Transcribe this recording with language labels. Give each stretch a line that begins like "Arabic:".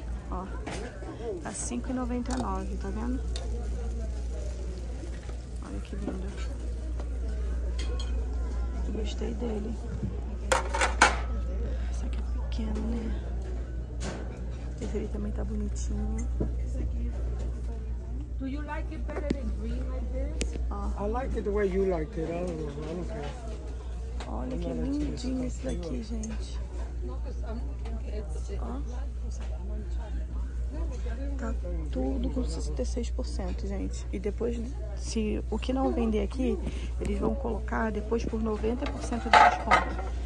Portuguese: Ó. Tá R$5,99, tá vendo? Olha que lindo. Gostei dele. Esse aqui é pequeno, né? Esse aqui também tá bonitinho.
English: Do you like it better than green like this? I like it the way you like it. I don't care.
Portuguese: Olha que lindinho esse daqui, gente. Ó. Tá tudo com 66%, gente. E depois, se o que não vender aqui, eles vão colocar depois por 90% de desconto.